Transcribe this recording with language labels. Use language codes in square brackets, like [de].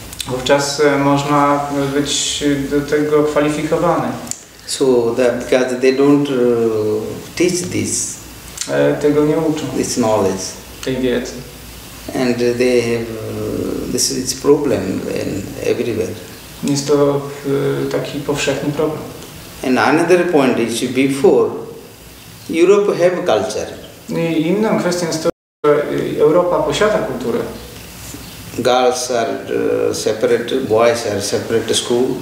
[pl] Wówczas można być do tego kwalifikowany. [en] So that because they don't teach this, [pl] tego nie uczą, [en] this knowledge, [pl] tej wiedzy. [en] And they have this is problem in everywhere. [pl] Jest to taki powszechny problem. [en] And another point is before Europe have culture. [pl] I inną kwestią jest to, że Europa posiada kulturę. [en] Girls are separate, boys are separate school.